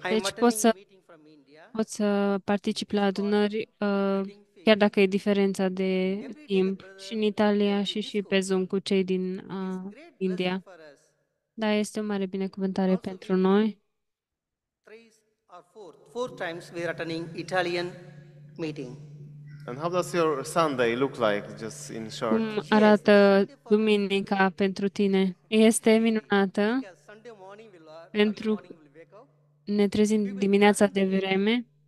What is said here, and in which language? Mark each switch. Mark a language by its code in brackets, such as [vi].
[ro] deci pot să particip la adunări chiar dacă e diferența de timp și în Italia și pe Zoom cu cei din India. Da, este o mare binecuvântare pentru noi. [en] Four times we are attending Italian meeting. And how does your Sunday look like, just in short? [ro] Cum arată duminica pentru tine? Este minunată. Pentru ne trezim dimineața de vreme.